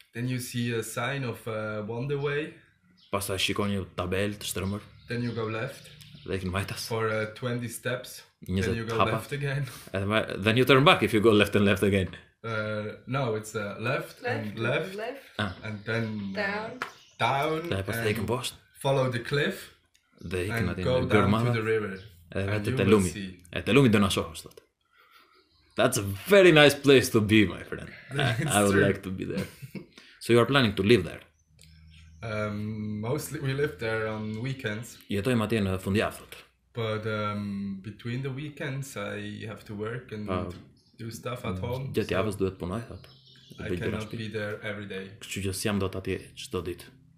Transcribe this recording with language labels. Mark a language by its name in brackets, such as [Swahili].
[English] Then you see a sign of wander way. [Albanian] Pastaj shikon një tabelë të shtrëmër. [English] Then you go left. [Albanian] Lekin majtas. [English] For 20 steps. Then you go left again. Then you turn back if you go left and left again. No, it's left and left, and then down and follow the cliff [Albanian] dhe [English] and go down to the river and you will see. That's a very nice place to be, my friend. I would like to be there. So you are planning to live there? Mostly we live there on weekends. [Albanian] Jetojmë atje në fundjavë. [English] But between the weekends I have to work and... Do stuff at home. [Albanian] Gjatë javës duhet punoj atë. [English] I cannot be there every day. [Albanian] Kështu që s'jam dot atje çdo ditë.